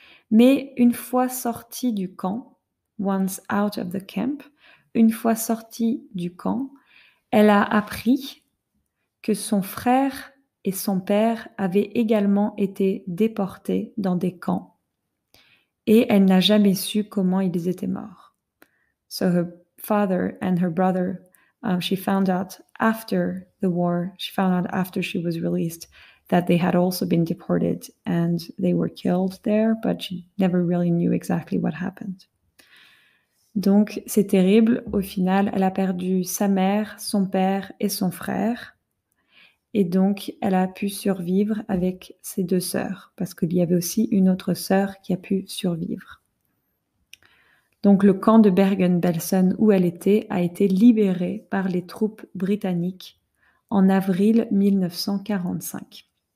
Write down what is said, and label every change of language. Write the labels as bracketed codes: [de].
[fr] Mais une fois sortie du camp, [en] once out of the camp, [fr] une fois sortie du camp, elle a appris que son frère et son père avaient également été déportés dans des camps et elle n'a jamais su comment ils étaient morts. [en] So her father and her brother, she found out after the war, she found out after she was released that they had also been deported and they were killed there, but she never really knew exactly what happened. [fr] Donc, c'est terrible. Au final, elle a perdu sa mère, son père et son frère. Et donc, elle a pu survivre avec ses deux sœurs, parce qu'il y avait aussi une autre sœur qui a pu survivre. Donc, le camp de Bergen-Belsen, où elle était, a été libéré par les troupes britanniques en avril 1945.